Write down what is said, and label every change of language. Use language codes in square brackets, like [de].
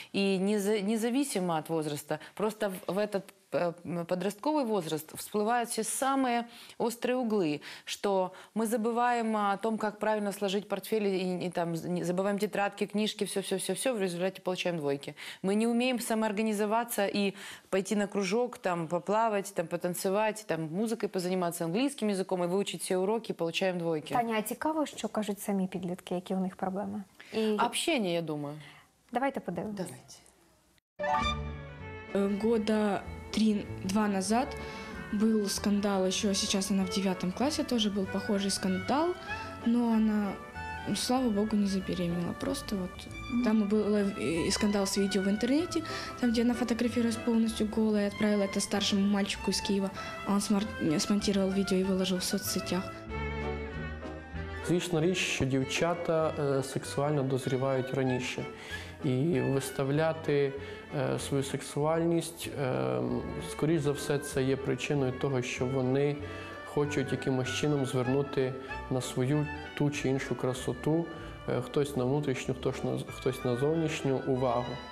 [ru] И независимо от возраста, просто в этот подростковый возраст всплывают все самые острые углы, что мы забываем о том, как правильно сложить портфель, и там забываем тетрадки, книжки, все, в результате получаем двойки. Мы не умеем самоорганизоваться и пойти на кружок, там, поплавать, там, потанцевать, там, музыкой позаниматься, английским языком и выучить все уроки, получаем двойки. Таня, [uk] а цікаво, [ru] что кажут сами підлітки, какие у них проблемы? И... Общение, я думаю. [uk] Давайте подивимось. Давайте. [ru] Года 3-2 назад был скандал, еще сейчас она в 9 классе, тоже был похожий скандал, но она, слава богу, не забеременела. Просто вот там был скандал с видео в интернете, там, где она фотографировалась полностью голая, отправила это старшему мальчику из Киева, он смонтировал видео и выложил в соцсетях. [uk] Звісно, річ, що дівчата сексуально дозрівають раніше. І виставляти свою сексуальність, скоріш за все, це є причиною того, що вони хочуть якимось чином звернути на свою ту чи іншу красоту, хтось на внутрішню, хтось на зовнішню увагу.